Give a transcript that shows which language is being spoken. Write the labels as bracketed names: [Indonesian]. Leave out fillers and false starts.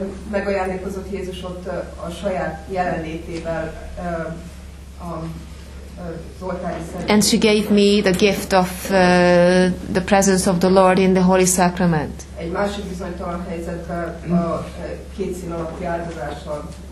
[Hungarian] Megajándékozott Jézus ott a saját jelenlétével az oltári szentjével. [English] And she gave me the gift of the presence of the Lord in the Holy Sacrament. [Hungarian] Egy másik bizonytalan helyzetben a két szín alatti áldozással.